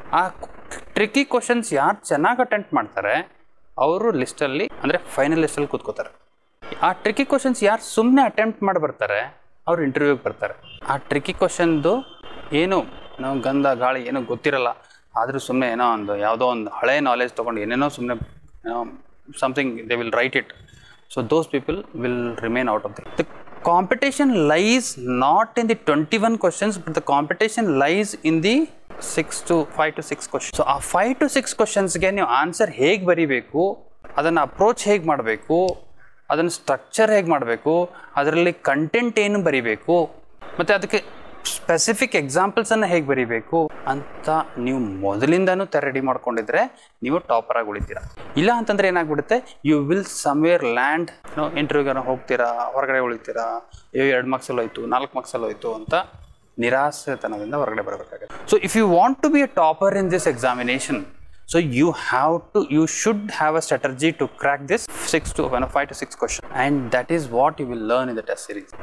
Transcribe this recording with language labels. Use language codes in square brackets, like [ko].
[kn] ಆ tricky questions ಯಾರು ಚೆನ್ನಾಗಿ ಅಟೆಂಪ್ಟ್ ಮಾಡ್ತಾರೆ ಅವರು ಲಿಸ್ಟಲ್ಲಿ, ಅಂದ್ರೆ ಫೈನಲ್ ಲಿಸ್ಟಲ್ಲಿ ಕೂತ್ಕೋತಾರೆ. ಆ ಟ್ರಿಕ್ಕಿ ಕ್ವಶನ್ಸ್ ಯಾರು ಸುಮ್ಮನೆ ಅಟೆಂಪ್ಟ್ ಮಾಡಿ ಬರ್ತಾರೆ ಅವ್ರು ಇಂಟರ್ವ್ಯೂಗೆ ಬರ್ತಾರೆ. ಆ ಟ್ರಿಕ್ಕಿ ಕ್ವಶನ್ದು ಏನು ಗಂಧ ಗಾಳಿ ಏನು ಗೊತ್ತಿರಲ್ಲ, ಆದರೂ ಸುಮ್ಮನೆ ಏನೋ ಒಂದು ಯಾವುದೋ ಒಂದು ಹಳೆ ನಾಲೆಜ್ ತೊಗೊಂಡು ಏನೇನೋ ಸುಮ್ಮನೆ [en] Something they will write it. So those people will remain out of the competition lies not in the 21 questions, but the competition lies in the 5 to 6 questions. So a 5 to 6 questions again you answer [kn] heg baribeku, adana approach heg madbeku, adana structure heg madbeku, adralli content enu baribeku, matte adakke specific examples ಅನ್ನ ಹೇಗೆ ಬರೀಬೇಕು ಅಂತ ನೀವು ಮೊದಲಿಂದನೂ ತಯಾರಿ ಮಾಡ್ಕೊಂಡಿದ್ರೆ ನೀವು topper ಆಗಿ ಉಳಿತೀರಾ. ಇಲ್ಲ ಅಂತಂದ್ರೆ ಏನಾಗ್ಬಿಡುತ್ತೆ, [en] you will somewhere land no [kn] ಇಂಟರ್ವ್ಯೂಗನ ಹೋಗ್ತೀರಾ, ಹೊರಗಡೆ ಉಳಿತೀರಾ, ಅಯ್ಯೋ 2 ಮಾರ್ಕ್ಸಲ್ಲಿ ಹೋಯ್ತು 4 ಮಾರ್ಕ್ಸಲ್ಲಿ ಹೋಯ್ತು ಅಂತ ನಿರಾಸೆತನದಿಂದ ಹೊರಗಡೆ ಬರಬೇಕಾಗುತ್ತೆ. [en] So if you want to be a topper in this examination, so you have to you should have a strategy to crack this 5 to 6 question, and that is what you will learn in the test series.